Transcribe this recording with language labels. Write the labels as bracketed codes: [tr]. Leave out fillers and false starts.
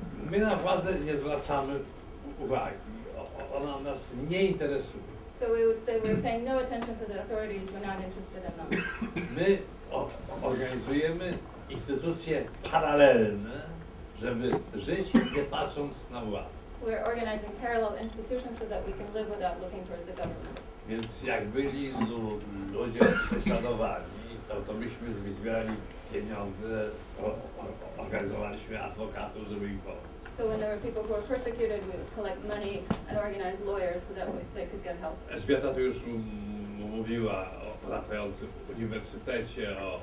[pl] My na władzę nie zwracamy uwagi. Ona nas nie interesuje. [en] So we would say we're paying no attention to the authorities, we're not interested in them. [pl] Organizujemy instytucje paralelne, żeby żyć nie patrząc na władzę. [en] We're organizing parallel institutions so that we can live without looking towards the government. [pl] Więc jak byli ludzie prześladowani, to myśmy zbierali pieniądze, organizowaliśmy adwokatów, żeby ich pomóc. [en] So when there were people who were persecuted, we would collect money and organize lawyers so that they could get help. [pl] Elżbieta to już mówiła o pracującym w uniwersytecie,